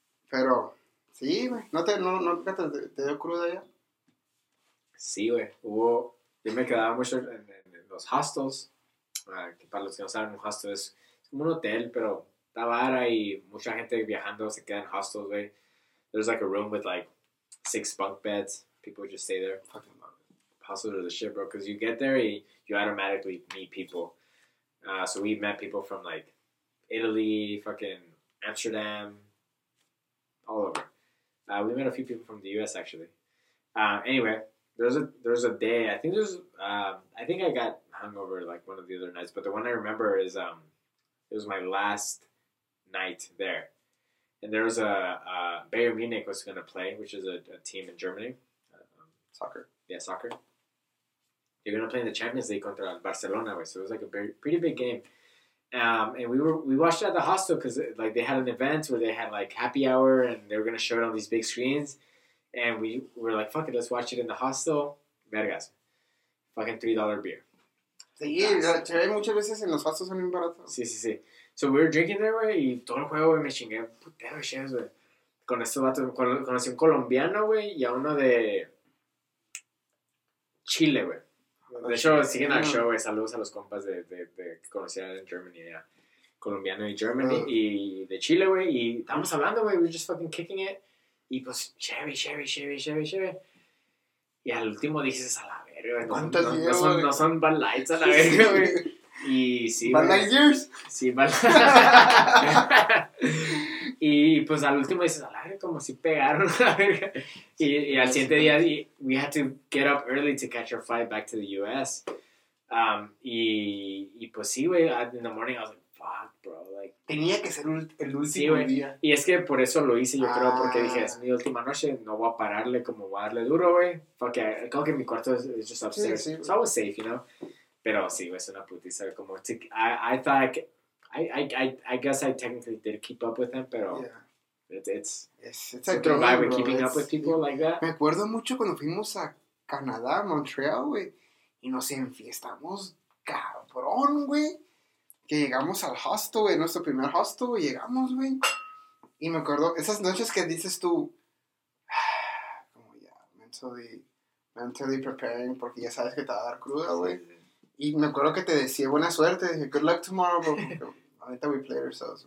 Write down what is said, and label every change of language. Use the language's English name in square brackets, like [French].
[Spanish] Pero, sí, güey. ¿No te dio cruda ya? Sí, güey. Hubo, Yo me quedaba mucho en los hostels. Para los que no saben, un hostel es como un hotel, pero está vara y mucha gente viajando se queda en hostels, güey. [English] There's like a room with like 6 bunk beds. People just stay there. Fucking love it. Hostels are the shit, bro, because you get there and you automatically meet people. So we met people from like Italy, fucking Amsterdam, all over. We met a few people from the US actually. Anyway, there's a day, I think there's, I think I got hungover like one of the other nights, but the one I remember is, it was my last night there. And there was a Bayern Munich was going to play, which is a team in Germany. Soccer. Yeah, soccer. They're going to play in the Champions League [Spanish] contra Barcelona, wey. [English] So it was like a pretty big game. And we watched it at the hostel because like they had an event where they had like happy hour and they were going to show it on these big screens. And we were like, fuck it, let's watch it in the hostel. Vergas. Fucking $3 beer. [Spanish] Sí, te ve muchas veces en los hostels son muy baratos. Sí, sí, sí. [English] So we were drinking there, [Spanish] wey, y todo el juego, wey, me chingué. Putero, chingues, wey. Con este vato, conocí un colombiano, wey, y a uno de Chile, wey. De hecho, siguen al show, güey. Saludos a los compas de que conocían en Germany, ya. Colombiano y Germany, y de Chile, güey. Y estábamos hablando, güey. [English] We're just fucking kicking it. [Spanish] Y pues, chévere. Y al último dices, a la verga, güey. ¿Cuántas years? No son Bud Lights, a la verga, güey. Y sí, güey. ¿Bud Light Years? Sí, Bud Light. Y pues al último dices, a la verga, como si pegaron, a la verga. Y al siguiente día, [English] we had to get up early to catch our flight back to the U.S. [Spanish] Y pues sí, [English] güey, in the morning I was like, fuck, bro. Like, [Spanish] tenía que ser el último, sí, día. Y es que por eso lo hice, yo creo, porque dije, es mi última noche, no voy a pararle, como voy a darle duro, güey. Fuck, creo que mi cuarto es [English] just upstairs. [Spanish] Sí, sí, [English] so I was safe, you know. [Spanish] Pero sí, güey, es una putiza. Como [English] I guess I technically did keep up with him, pero... Yeah. It's a vibe keeping up with people, yeah, like that. [Spanish] Me acuerdo mucho cuando fuimos a Canadá, Montreal, güey, y nos enfiestamos, cabrón, güey, que llegamos al hostel, güey, nuestro primer hostel, güey, llegamos, güey, y me acuerdo esas noches que dices tú, como ya, [English] mentally preparing, [Spanish] porque ya sabes que te va a dar cruda, güey, y me acuerdo que te decía buena suerte, dije, [English] good luck tomorrow, bro, [Spanish] ahorita [English] we play ourselves.